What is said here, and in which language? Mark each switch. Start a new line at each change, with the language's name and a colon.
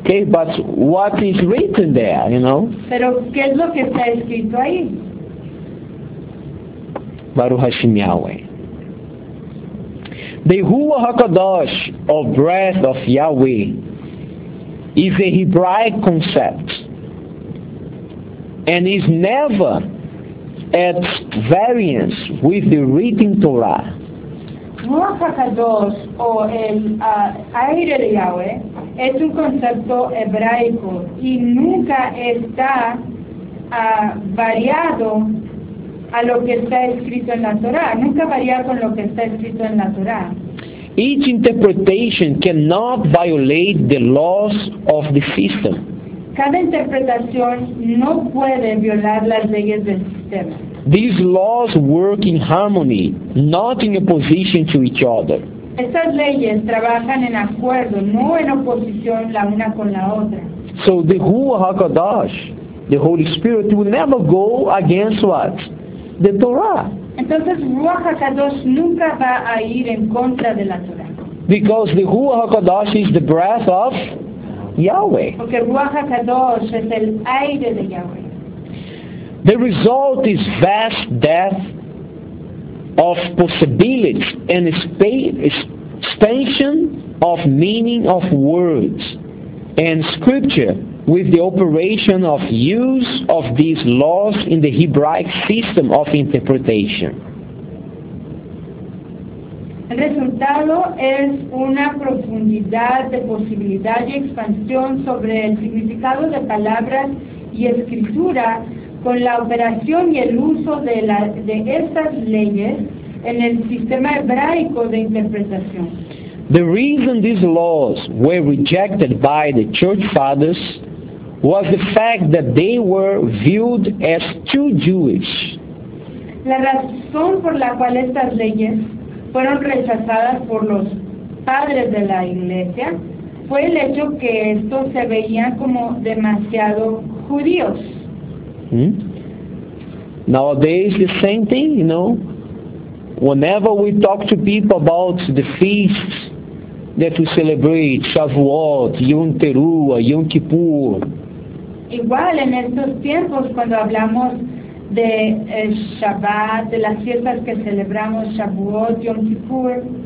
English: Okay, but what is written there, you know?
Spanish: Pero ¿qué es lo que está escrito ahí?
Hebrew: Baruch Hashem Yahweh.
English: The Ruach HaKadosh, or breath of Yahweh, is a Hebraic concept and is never at variance with the written Torah.
Spanish: Ruach HaKadosh, o el aire de Yahweh, es un concepto hebraico y nunca está variado a lo que está escrito en la Torah. Nunca varía con lo que está escrito en la Torah.
English: Each interpretation cannot violate the laws of the system.
Spanish: Cada interpretación no puede violar las leyes del sistema.
English: These laws work in harmony, not in opposition to each other.
Spanish: Estas leyes trabajan en acuerdo, no en oposición la una con la otra.
English: So the Ruach HaKadosh, the Holy Spirit, will never go against what? The Torah.
Spanish: Entonces Ruach HaKadosh nunca va a ir en contra de la Torah.
English: Because the Ruach HaKadosh is the breath of Yahweh.
Spanish: Porque Ruach HaKadosh es el aire de Yahweh.
English: The result is vast depth of possibility and expansion of meaning of words and scripture with the operation of use of these laws in the Hebraic system of interpretation.
Spanish: El resultado es una profundidad de posibilidad y expansión sobre el significado de palabras y escritura con la operación y el uso de estas leyes en el sistema hebraico de interpretación.
English: The reason these laws were rejected by the church fathers was the fact that they were viewed as too Jewish.
Spanish: La razón por la cual estas leyes fueron rechazadas por los padres de la iglesia fue el hecho que estos se veían como demasiado judíos.
English: Nowadays, the same thing, you know. Whenever we talk to people about the feasts that we celebrate, Shavuot, Yom Teruah, Yom Kippur.
Spanish: Igual, en estos tiempos, cuando hablamos de Shabbat, de las fiestas que celebramos, Shavuot, Yom Kippur.